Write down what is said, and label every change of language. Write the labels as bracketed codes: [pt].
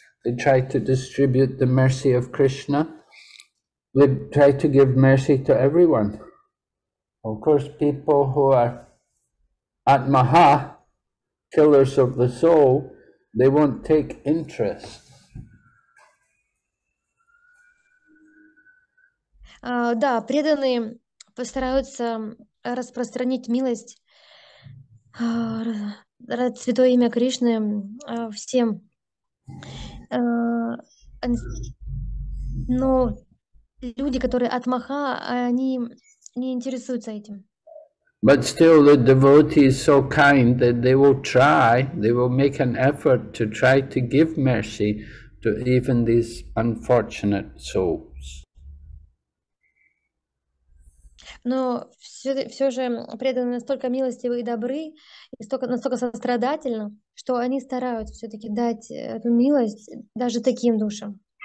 [en] They try to distribute the mercy of Krishna. They try to give mercy to everyone. Of course, people who are atmaha, killers of the soul, they won't take interest. [ru] Да, преданные постараются распространить милость, святое имя Кришны всем. Но люди, которые атмаха, они не интересуются этим. [en] But still the devotee is so kind that they will try, they will make an effort to try to give mercy to even these unfortunate souls. [ru] Но все же преданы настолько милостивы и добры, и настолько сострадательны, что они стараются все-таки дать эту милость даже таким душам.